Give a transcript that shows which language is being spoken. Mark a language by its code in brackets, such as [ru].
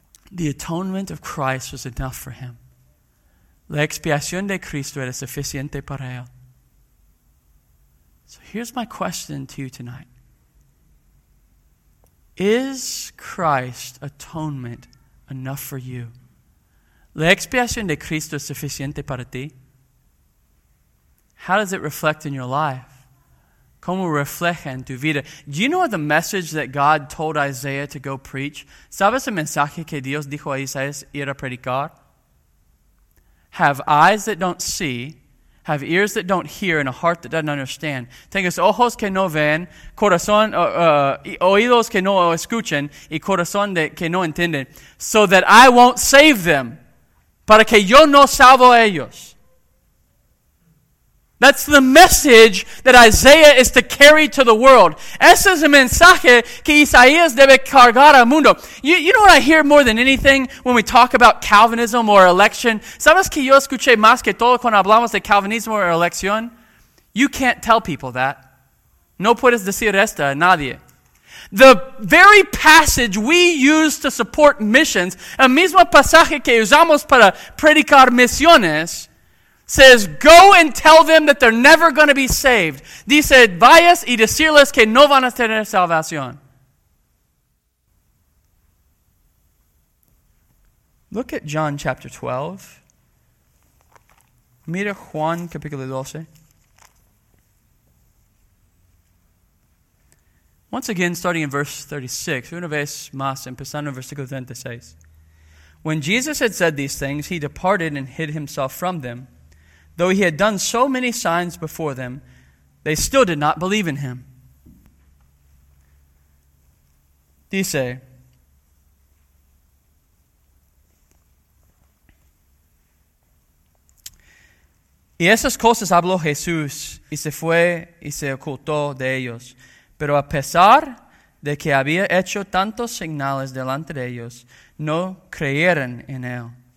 [en] The atonement of Christ was enough for him. [es] La expiación de Cristo era suficiente para él. [en] So here's my question to you tonight. Is Christ's atonement enough for you? [es] La expiación de Cristo es suficiente para ti? [en] How does it reflect in your life? [es] ¿Cómo refleja en tu vida? [en] Do you know the message that God told Isaiah to go preach? [es] ¿Sabes el mensaje que Dios dijo a Isaías ir a predicar? [en] Have eyes that don't see, have ears that don't hear, and a heart that doesn't understand. [es] Tengas ojos que no ven, corazón, oídos que no escuchan, y corazón que no entienden, [en] so that I won't save them, [es] para que yo no salvo a ellos. [en] That's the message that Isaiah is to carry to the world. [es] Ese es el mensaje que Isaías debe cargar al mundo. [en] You know what I hear more than anything when we talk about Calvinism or election? [es] ¿Sabes que yo escuché más que todo cuando hablamos de Calvinismo o elección? [en] You can't tell people that. [es] No puedes decir esto a nadie. [en] The very passage we use to support missions, [es] el mismo pasaje que usamos para predicar misiones, [en] says, go and tell them that they're never going to be saved. [es] Dice, vayas y decirles que no van a tener salvación. [en] Look at John chapter 12. [es] Mira Juan capítulo 12. [en] Once again, starting in verse 36, [es] una vez más, empezando en versículo 36. [en] When Jesus had said these things, he departed and hid himself from them. Though he had done so many signs before them, they still did not believe in him. [es] Dice, y esas cosas habló Jesús, y se fue y se ocultó de ellos. Pero a pesar de que había hecho tantos señales delante de ellos, no creyeron en él.